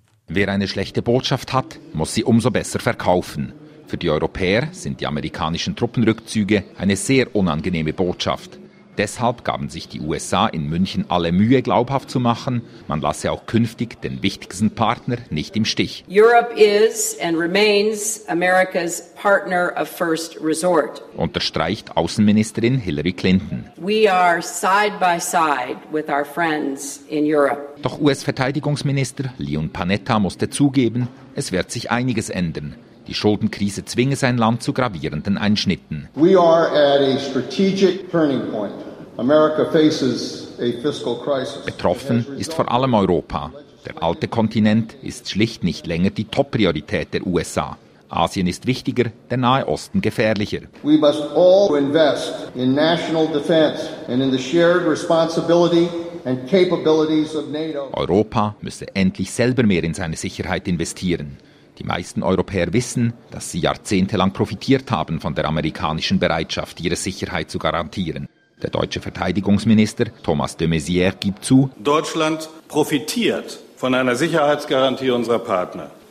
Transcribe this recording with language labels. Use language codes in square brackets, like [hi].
[de] Wer eine schlechte Botschaft hat, muss sie umso besser verkaufen. Für die Europäer sind die amerikanischen Truppenrückzüge eine sehr unangenehme Botschaft. Deshalb gaben sich die USA in München alle Mühe, glaubhaft zu machen, man lasse auch künftig den wichtigsten Partner nicht im Stich. [en] Europe is and remains America's partner of first resort. [de] Unterstreicht Außenministerin Hillary Clinton. [en] We are side by side with our friends in Europe. [de] Doch US-Verteidigungsminister Leon Panetta musste zugeben, es wird sich einiges ändern. Die Schuldenkrise zwinge sein Land zu gravierenden Einschnitten. [en] We are at a strategic turning point. America faces a fiscal crisis. [de] Betroffen ist vor allem Europa. Der alte Kontinent ist schlicht nicht länger die Top-Priorität der USA. Asien ist wichtiger, der Nahe Osten gefährlicher. [en] We must all invest in national defense and in the shared responsibility and capabilities of NATO. [de] Europa müsse endlich selber mehr in seine Sicherheit investieren. Die meisten Europäer wissen, dass sie jahrzehntelang profitiert haben von der amerikanischen Bereitschaft, ihre Sicherheit zu garantieren. Der deutsche Verteidigungsminister Thomas de Maizière gibt zu, Deutschland profitiert von einer Sicherheitsgarantie unserer Partner.